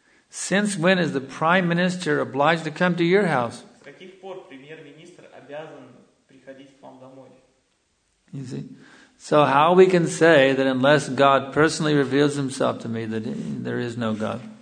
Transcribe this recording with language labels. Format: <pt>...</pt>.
<en>Since when is the prime minister obliged to come to your house?</en> <ru>пор премьер-министр обязан приходить к вам домой.</ru> <en>You see? So how we can say that unless God personally reveals himself to me, that there is no God?</en>